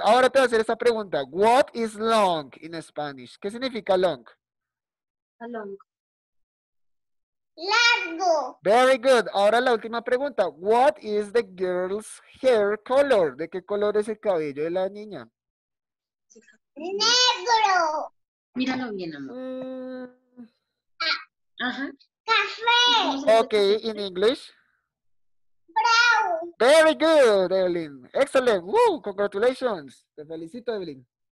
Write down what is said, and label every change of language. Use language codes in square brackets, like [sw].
[es] Ahora te voy a hacer esta pregunta. [en] What is long in Spanish? [es] ¿Qué significa long? [en] Long. [es] Largo. [en] Very good. [es] Ahora la última pregunta. [en] What is the girl's hair color? [es] ¿De qué color es el cabello de la niña? Negro. Míralo bien, amor. Ajá. Café. [en] Ok, in English. Brown. Very good, Evelyn. Excellent. Woo, congratulations. [es] Te felicito, [en] Evelyn.